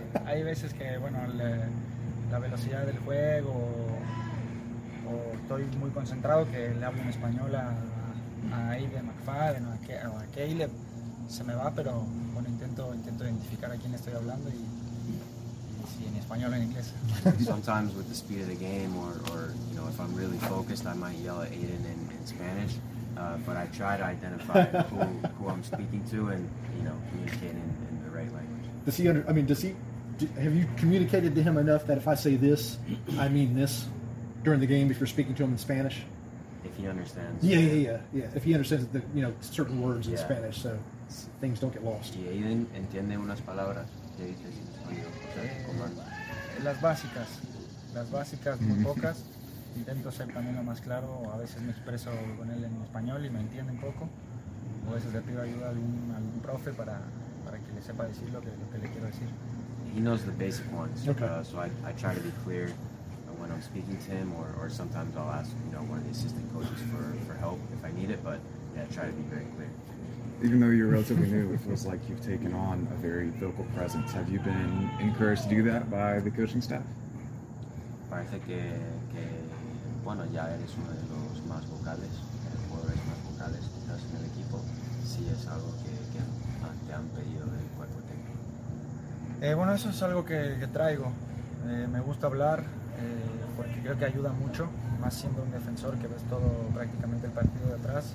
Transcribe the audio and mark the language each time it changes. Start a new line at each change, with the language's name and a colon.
Spanish: Hay veces que, bueno, la velocidad del juego o estoy muy concentrado que le hablo en español a Aide McFadden o a Caleb. Se me va, pero bueno, intento identificar a quién estoy hablando y si en español o en inglés.
English: Sometimes with the speed of the game or if I'm really focused, I might yell at Aiden in Spanish, but I try to identify who I'm speaking to and communicate in the right language. Have you communicated to him enough that if I say this, I mean this during the game if you're speaking to him in Spanish? If he understands. Yeah. If he understands the certain words in Spanish, so things don't get lost.
Spanish: Y Aiden entiende unas palabras que dices en español. Las básicas, muy pocas. Intento ser también lo más claro. A veces me expreso con él en español y me entiende un poco. O a veces le pido ayuda a algún profe para que le sepa decir lo que le quiero decir.
English: He knows the basic ones, so I try to be clear when I'm speaking to him, or sometimes I'll ask one of the assistant coaches for help if I need it. But yeah, I try to be very clear. Even though you're relatively new, it feels like you've taken on a very vocal presence. Have you been encouraged to do that by the coaching staff?
Spanish: Parece que bueno, ya eres uno de los más vocales, jugadores más vocales que estás en el equipo. Si es algo que te han pedido del cuerpo técnico. Bueno, eso es algo que traigo. Me gusta hablar porque creo que ayuda mucho, más siendo un defensor que ves todo prácticamente el partido de atrás.